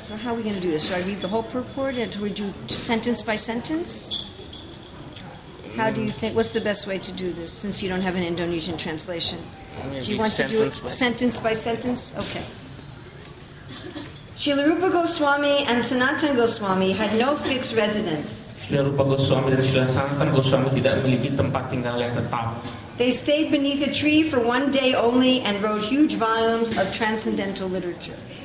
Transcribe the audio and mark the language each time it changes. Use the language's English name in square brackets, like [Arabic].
[English] So how are we going to do this? Should I read the whole purport and should we do sentence by sentence? How do you think, what's the best way to do this since you don't have an Indonesian translation? Do you want to do it sentence by sentence? Okay. Srila Rupa Goswami and Sanatana Goswami had no fixed residence. [Indonesian] Srila Rupa Goswami dan Srila Sanatana Goswami tidak memiliki tempat tinggal yang tetap. [English] They stayed beneath a tree for one day only and wrote huge volumes of transcendental literature.